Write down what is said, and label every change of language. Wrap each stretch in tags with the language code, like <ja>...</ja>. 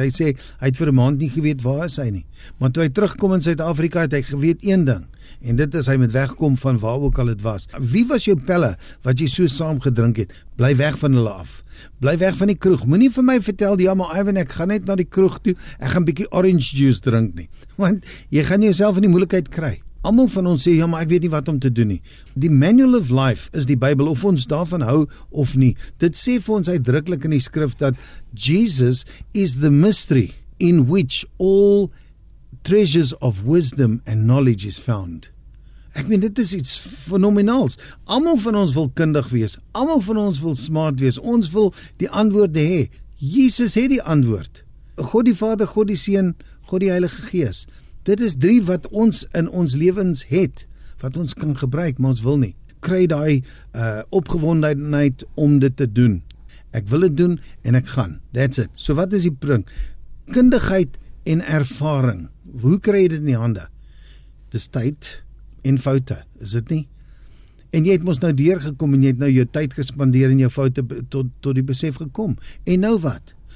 <af>Hy sê, hy het vir 'n maand nie geweet waar is hy nie. Maar toe hy terugkom in Suid-Afrika, het hy geweet een ding, en dit is hy met wegkom van waar ook al het was. Wie was jou pelle, wat jy so saam gedrink het? Bly weg van hulle af. Bly weg van die kroeg. Moenie vir my vertel, ja, maar Ivan, ek gaan net na die kroeg toe, ek gaan bietjie</af> <en>orange juice</en> <af>drink nie. Want jy gaan jouself in die moeilikheid kry. Almal van ons sê, ja, maar ek weet nie wat om te doen nie. Die Manual of Life is die Bybel, of ons daarvan hou of nie. Dit sê vir ons uitdruklik in die skrif dat</af> <en>Jesus is the mystery in which all treasures of wisdom and knowledge is found.</en> <af>Ek meen, dit is iets fenomenaals. Almal van ons wil kundig wees, almal van ons wil smart wees, ons wil die antwoorde hê. Jesus het die antwoord. God die Vader, God die Seun, God die Heilige Gees. Dit is drie wat ons in ons lewens het, wat ons kan gebruik, maar ons wil nie. Kry daai opgewondenheid om dit te doen. Ek wil dit doen en ek gaan.</af> <en>That's it.</en> <af>So wat is die punt? Kundigheid en ervaring. Hoe kry jy dit in die hande? Dis tyd en foute, is dit nie? En jy het mos nou deurgekom en jy het nou jou tyd gespandeer en jou foute tot die besef gekom. En nou wat?</af>